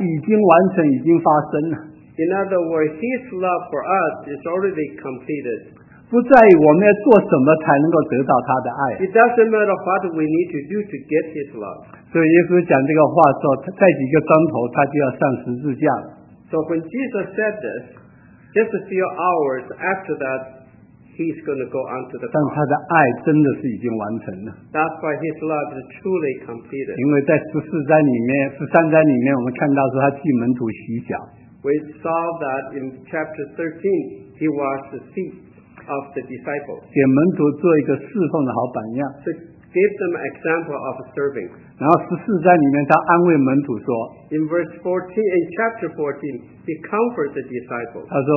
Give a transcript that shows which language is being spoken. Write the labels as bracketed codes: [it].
[zh] 换句话，他对我们的爱已经完成，已经发生了。 [en] In other words, His love for us is already completed. [zh] 不在于我们要做什么才能够得到他的爱。 [en] It doesn't matter what we need to do to get His love. [zh] 所以耶稣讲这个话说，在几个钟头他就要上十字架了。 [en] So when Jesus said this, just a few hours after that, He's going to go onto the cross. [zh] 但他的爱真的是已经完成了。 [en] That's why His love is truly completed. [zh] 因为在十三章里面，我们看到说他替门徒洗脚。 [en] We saw that in chapter 13, he washed the feet of the disciples. [zh] 给门徒做一个侍奉的好榜样。 [en] To give them an example of serving. [zh] 然后14章里面他安慰门徒说, [en] in verse 14, in chapter 14, he comforts the disciples.